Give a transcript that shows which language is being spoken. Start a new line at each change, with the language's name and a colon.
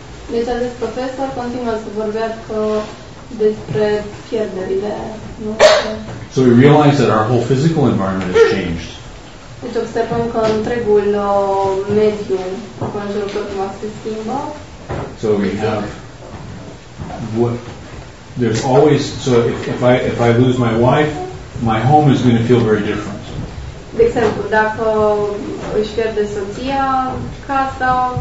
Romanian: Deci acest profesor continuă să vorbească despre pierderile noastre.
English: So we realize that our whole physical environment has changed.
Romanian: Deci observăm că întregul mediu conjurător se schimbă.
English: So we have what there's always so if I lose my wife, my home is going to feel very different.
Romanian: De exemplu, dacă își pierde soția, casa